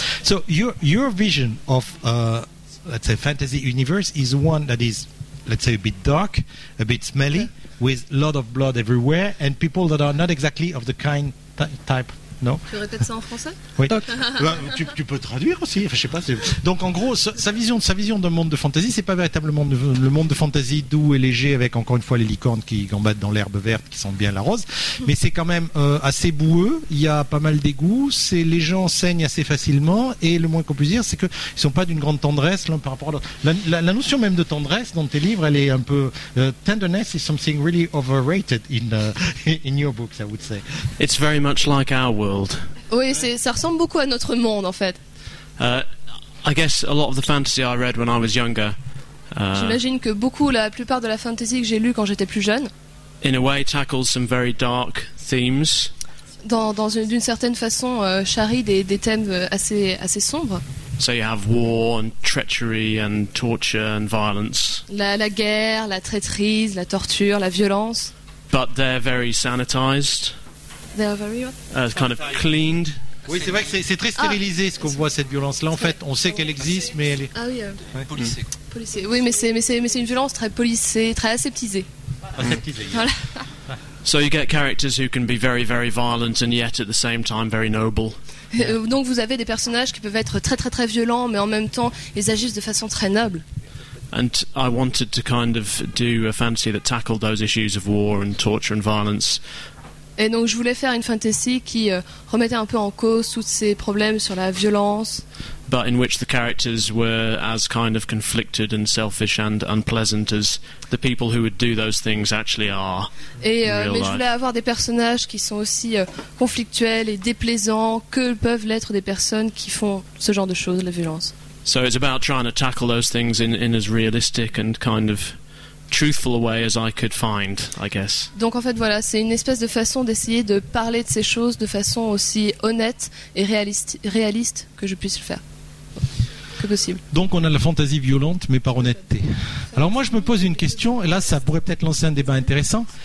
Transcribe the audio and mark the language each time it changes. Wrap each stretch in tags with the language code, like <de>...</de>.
<en>So your vision of let's say fantasy universe is one that is let's say a bit dark, a bit smelly, with a lot of blood everywhere and people that are not exactly of the kind type.</en> <fr>Non. Tu répètes ça en français? Oui. Tu peux traduire aussi. Enfin, je sais pas. Donc, en gros, sa vision d'un monde de fantasy, c'est pas véritablement le monde de fantasy doux et léger, avec encore une fois les licornes qui gambadent dans l'herbe verte, qui sentent bien la rose. Mais c'est quand même assez boueux. Il y a pas mal d'égouts. C'est les gens saignent assez facilement. Et le moins qu'on puisse dire, c'est qu'ils sont pas d'une grande tendresse l'un par rapport à l'autre. La notion même de tendresse dans tes livres, elle est un peu</fr> <en>tenderness is something really overrated in your books, I would say. It's very much like our world.</en> <fr>Oui, ça ressemble beaucoup à notre monde, en fait.</fr> <en>I guess a lot of the fantasy I read when I was younger.</en> <fr>J'imagine que beaucoup, la plupart de la fantasy que j'ai lue quand j'étais plus jeune.</fr> <en>In a way, tackles some very dark themes.</en> <fr>D'une certaine façon, charrie des thèmes assez sombres.</fr> <en>So you have war and treachery and torture and violence.</en> <fr>La guerre, la traîtrise, la torture, la violence.</fr> <en>But they're very sanitized. They are very kind of cleaned.</en> <fr>Oui, c'est vrai que c'est très stérilisé ce qu'on voit, cette violence-là. En fait, on sait qu'elle existe, mais elle est... Ah oui, policée. Policée. Oui, mais c'est une violence très policée, très aseptisée. Voilà.</fr> <en>So you get characters who can be very, very violent and yet at the same time very noble.</en> <fr>Donc vous avez des personnages qui peuvent être très, très, très violents, mais en même temps, ils agissent de façon très noble.</fr> <en>And I wanted to kind of do a fantasy that tackled those issues of war and torture and violence.</en> <fr>Et donc je voulais faire une fantasy qui remettait un peu en cause tous ces problèmes sur la violence.</fr> <en>But in which the characters were as kind of conflicted and selfish and unpleasant as the people who would do those things actually are.</en> <fr>Et mais je voulais avoir des personnages qui sont aussi conflictuels et déplaisants que peuvent l'être des personnes qui font ce genre de choses, la violence.</fr> <en>So it's about trying to tackle those things in as realistic and kind of truthful a way as I could find, I guess.</en> <fr>Donc en fait voilà, c'est une espèce de façon d'essayer de parler de ces choses de façon aussi honnête et réaliste que je puisse le faire. Que possible. Donc on a la fantaisie violente mais par honnêteté. Alors moi je me pose une question, et là ça pourrait peut-être lancer un débat intéressant.</fr>